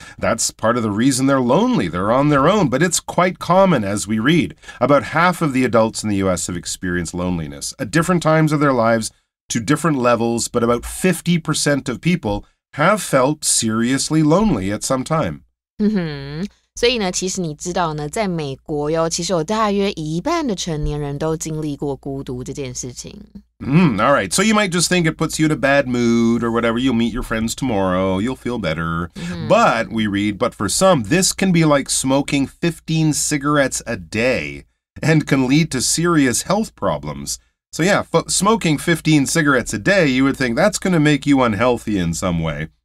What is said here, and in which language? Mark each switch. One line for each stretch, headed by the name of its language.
English: That's part of the reason they're lonely. They're on their own. But it's quite common as we read. About half of the adults in the U.S. have experienced loneliness at different times of their lives to different levels. But about 50% of people have felt seriously lonely at some time. Mm-hmm.
Chinese: 所以呢其实你知道呢在美国哟其实有大约一半的成年人都经历过孤独这件事情。
English: All right. So you might just think it puts you in a bad mood or whatever. You'll meet your friends tomorrow. You'll feel better. But we read, but for some, this can be like smoking 15 cigarettes a day and can lead to serious health problems. So yeah, smoking 15 cigarettes a day, you would think that's going to make you unhealthy in some way.